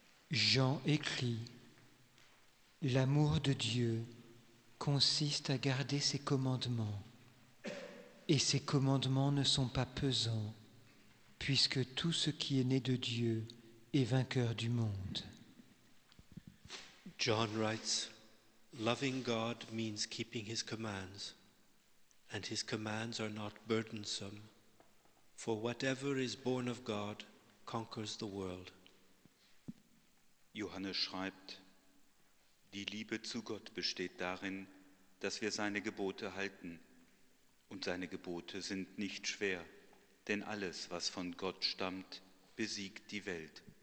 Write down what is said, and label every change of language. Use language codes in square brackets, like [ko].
[fr] Jean écrit : L'amour de Dieu consiste à garder ses commandements, et ses commandements ne sont pas pesants, puisque tout ce qui est né de Dieu est vainqueur du monde. [en] John writes : Loving God means keeping his commands, and his commands are not burdensome, for whatever is born of God conquers the world. [de] Johannes schreibt, die Liebe zu Gott besteht darin, dass wir seine Gebote halten. Und seine Gebote sind nicht schwer, denn alles, was von Gott stammt, besiegt die Welt.